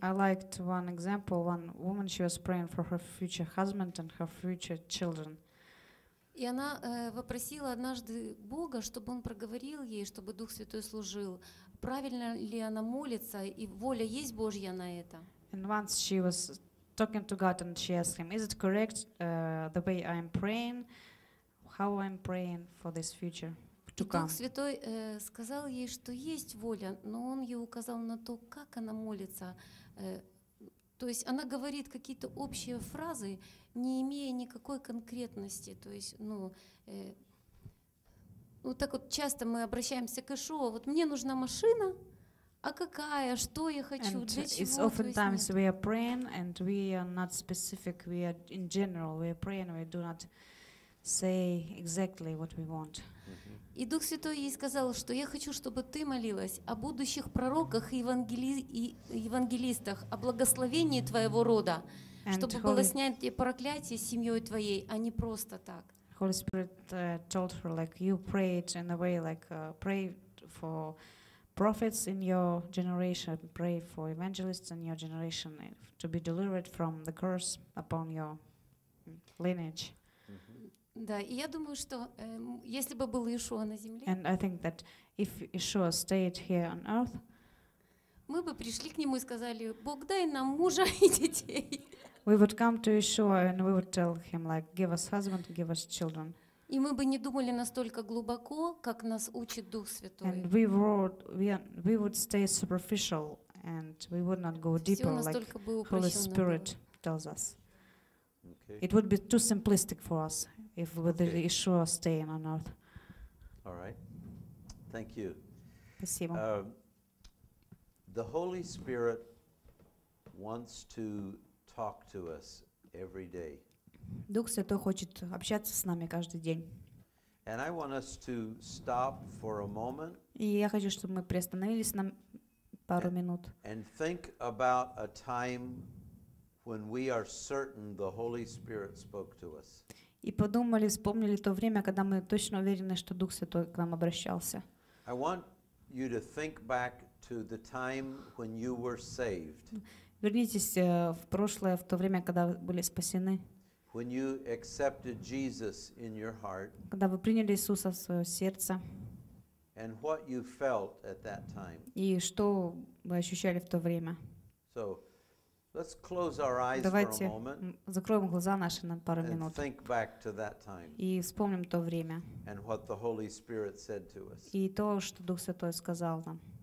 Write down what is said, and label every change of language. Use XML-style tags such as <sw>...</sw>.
<en>I liked one example. One woman, she was praying for her future husband and her future children.</en> <ru>И она попросила однажды Бога, чтобы он проговорил ей, чтобы Дух Святой служил. Правильно ли она молится и воля есть Божья на это?</ru> <en>And once she was talking to God and she asked him, is it correct the way I'm praying, how I'm praying for this future to come?</en> <ru>Дух Святой сказал ей, что есть воля, но он ей указал на то, как она молится. То есть она говорит какие-то общие фразы, не имея никакой конкретности. То есть, ну так вот часто мы обращаемся к Ишуа, вот мне нужна машина. А какая? Что я хочу?</ru> <en>And</en> <ru>для чего?</ru> <en>It's oftentimes we are praying and we are not specific. We are in general. We are praying. We do not say exactly what we want. Mm-hmm.</en> <ru>И Дух Святой ей сказал, что я хочу, чтобы ты молилась о будущих пророках и евангелистах, о благословении твоего рода, чтобы было снять проклятие с семьей твоей, а не просто так.</ru> <en>Holy Spirit told her, like, you pray it in a way, like, pray for prophets in your generation, pray for evangelists in your generation to be delivered from the curse upon your lineage.</en> <ru>Да, и я думаю, что если бы был Иешуа на земле,</ru> <en>and I think that if Yeshua stayed here on earth,</en> <ru>мы бы пришли к нему и сказали: Бог, дай нам мужа и детей.</ru> <en>We would come to Yeshua and we would tell him, like, give us husband, give us children.</en> <ru>И мы бы не думали настолько глубоко, как нас учит Дух Святой.</ru> <en>And we would stay superficial and we would not go deeper, like Holy Spirit tells us. Okay. It would be too simplistic for us if with okay. Yeshua staying on earth. All right. Thank you.</en> <ru>Спасибо.</ru> <en>The Holy Spirit wants to talk to us every day.</en> <ru>Дух Святой хочет общаться с нами каждый день.</ru> <en>And I want us to stop for a moment.</en> <ru>И я хочу, чтобы мы приостановились на пару минут.</ru> <en>And think about a time when we are certain the Holy Spirit spoke to us.</en> <ru>И подумали, вспомнили то время, когда мы точно уверены, что Дух Святой к нам обращался.</ru> <en>I want you to think back to the time when you were saved.</en> <ru>Вернитесь в прошлое, в то время, когда вы были спасены.</ru> <en>When you accepted Jesus in your heart.</en> <ru>Когда вы приняли Иисуса в своё сердце.</ru> <en>And what you felt at that time.</en> <ru>И что вы ощущали в то время?</ru> <en>So, let's close our eyes</en> <ru>Давайте</ru> <en>for a moment.</en> <ru>Давайте закроем глаза наши на пару минут.</ru> <en>And think back to that time.</en> <ru>И вспомним то время.</ru> <en>And what the Holy Spirit said to us.</en> <ru>И то, что Дух Святой сказал нам.</ru>